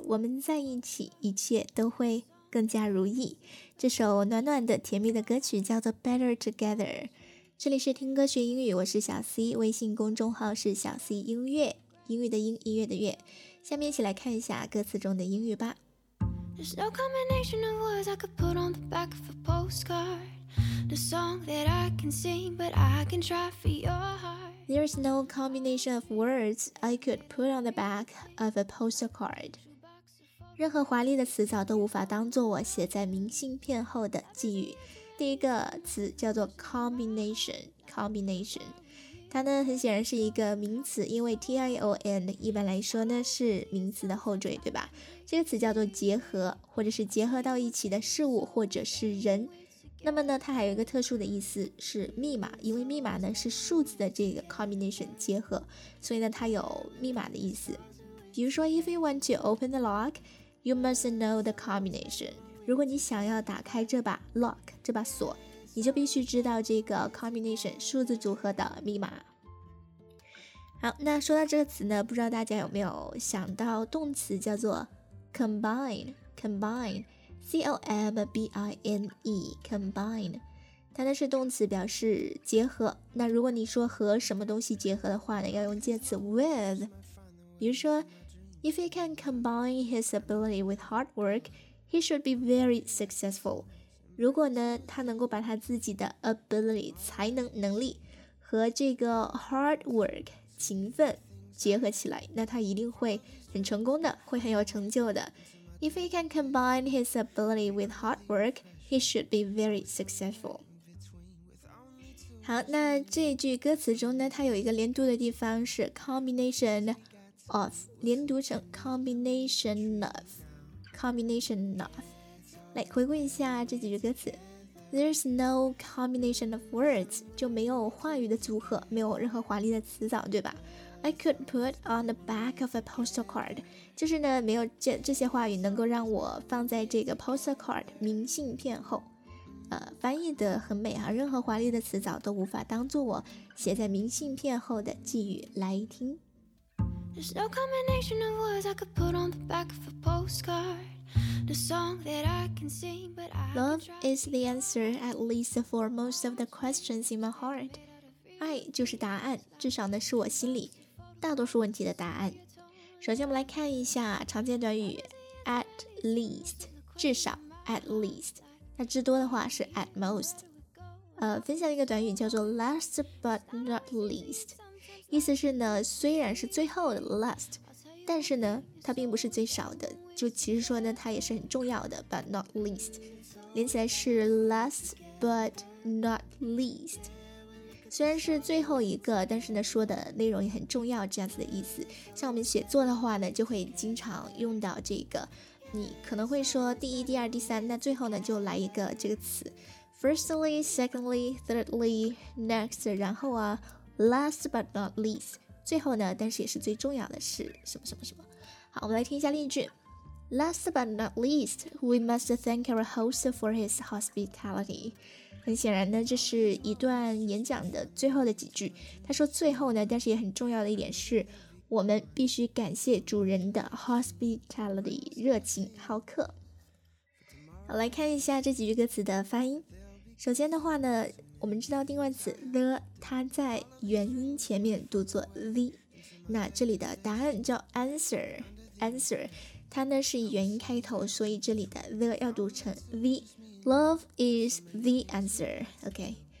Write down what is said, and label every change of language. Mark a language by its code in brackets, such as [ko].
[zh] 我们在一起，一切都会更加如意。这首暖暖的、甜蜜的歌曲叫做 Better Together。这里是听歌学英语，我是小 C， 微信公众号是小 C 音乐，英语的英，音乐的乐。下面一起来看一下歌词中的英语吧。 [en] There's no combination of words I could put on the back of a postcard. The song that I can sing, but I can try for your heart. There's no combination of words I could put on the back of a postcard. [zh] 任何华丽的词藻都无法当作我写在明信片后的寄语。第一个词叫做 combination， 它呢很显然是一个名词，因为 T-I-O-N 一般来说呢是名词的后缀，对吧？这个词叫做结合，或者是结合到一起的事物或者是人。那么呢它还有一个特殊的意思是密码，因为密码呢是数字的这个 combination 结合，所以呢它有密码的意思。比如说 [en] if you want to open the lock, you must know the combination. [zh] 如果你想要打开这把 lock, 这把锁，你就必须知道这个 combination, 数字组合的密码。好，那说到这个词呢，不知道大家有没有想到动词叫做 combine, combine, C-O-M-B-I-N-E, combine。它呢是动词，表示结合。那如果你说和什么东西结合的话呢，要用介词 with。比如说 [en] ，If he can combine his ability with hard work, he should be very successful。 [zh] 如果呢，他能够把他自己的 ability 才能能力和这个 hard work 勤奋结合起来，那他一定会很成功的，会很有成就的。 [en] If he can combine his ability with hard work, he should be very successful。 [zh] 好，那这句歌词中呢，它有一个连读的地方是 combination of， 连读成 combination of， combination of。来回顾一下这几句歌词 ， [en] There's no combination of words， [zh] 就没有话语的组合，没有任何华丽的词藻，对吧 ？ [en] I could put on the back of a postcard， [zh] 就是呢，没有这些话语能够让我放在这个 postcard 明信片后。翻译得很美啊，任何华丽的词藻都无法当作我写在明信片后的寄语来听。 [en] There's no combination of words I could put on the back of a postcard. The song that I can sing, but I Love is the answer at least for most of the questions in my heart. [zh] 爱就是答案，至少呢是我心里大多数问题的答案。首先我们来看一下常见短语 at least， 至少 at least，那至多的话是 at most。分享一个短语叫做 [en] last but not least， [zh] 意思是呢，虽然是最后的 last， 但是呢，它并不是最少的，就其实说呢，它也是很重要的 but not least， 连起来是 last but not least， 虽然是最后一个，但是呢，说的内容也很重要，这样子的意思。像我们写作的话呢，就会经常用到这个，你可能会说第一、第二、第三，那最后呢就来一个这个词 [en] firstly, secondly, thirdly, next, [zh] 然后啊 [en] last but not least, [zh] 最后呢但是也是最重要的是什么什么什么。好，我们来听一下例句 [en] last but not least, we must thank our host for his hospitality。 [zh] 很显然呢这是一段演讲的最后的几句，他说最后呢但是也很重要的一点是我们必须感谢主人的 hospitality 热情好客。好，来看一下这几句歌词的发音。首先的话呢，我们知道定冠词 the 它在元音前面读作 the， 那这里的答案叫 answer， answer 它呢是以元音开头，所以这里的 the 要读成 the， [en] love is the answer， [zh] OK。